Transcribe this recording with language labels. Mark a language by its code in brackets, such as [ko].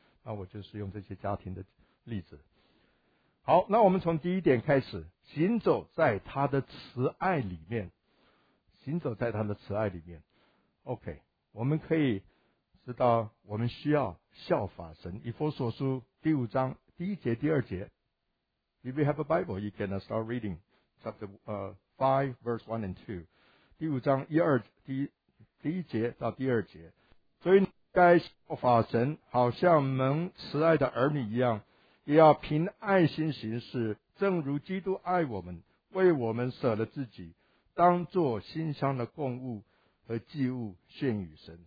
[zh] 那我就是用这些家庭的例子。好，那我们从第一点开始，行走在他的慈爱里面，行走在他的慈爱里面。 OK, 我们可以知道我们需要效法神。以弗所书第五章第一节第二节。 [en] If you have a Bible, you can start reading chapter 5, verse 1 and 2. [zh] 第五章第一节到第二节。所以该效法神，好像蒙慈爱的儿女一样，也要凭爱心行事，正如基督爱我们，为我们舍了自己，当作馨香的供物和祭物献与神。